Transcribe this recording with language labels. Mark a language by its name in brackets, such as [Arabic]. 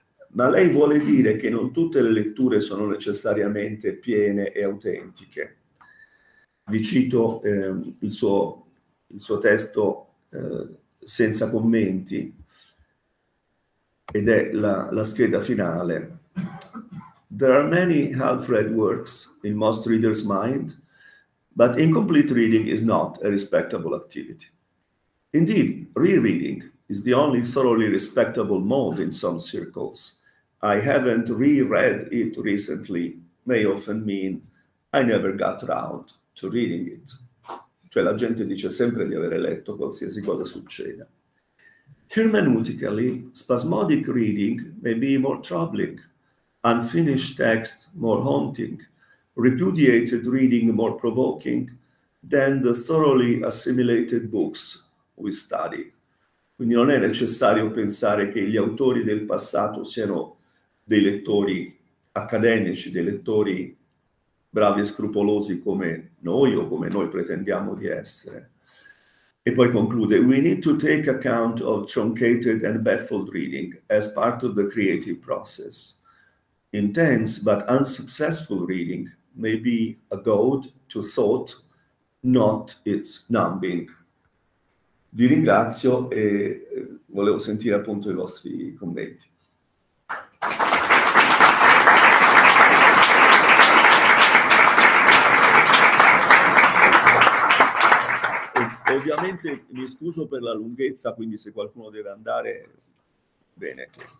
[Italian] Ma lei vuole dire che non tutte le letture sono necessariamente piene e autentiche. Vi cito il suo testo senza commenti, ed è la scheda finale. [English] There are many half-read works in most readers' mind, but incomplete reading is not a respectable activity. Indeed, rereading is the only thoroughly respectable mode in some circles. I haven't reread it recently may often mean I never got around to reading it. [Italian] Cioè la gente dice sempre di aver letto qualsiasi cosa succeda. [English] Hermeneutically, spasmodic reading may be more troubling, unfinished text more haunting, repudiated reading more provoking than the thoroughly assimilated books we study. [Italian] Quindi non è necessario pensare che gli autori del passato siano dei lettori accademici, dei lettori bravi e scrupolosi come noi o come noi pretendiamo di essere. E poi conclude: [English] we need to take account of truncated and baffled reading as part of the creative process. Intense but unsuccessful reading may be a goad to thought, not its numbing. [Italian] Vi ringrazio e volevo sentire appunto i vostri commenti. Ovviamente mi scuso per la lunghezza, quindi se qualcuno deve andare, bene.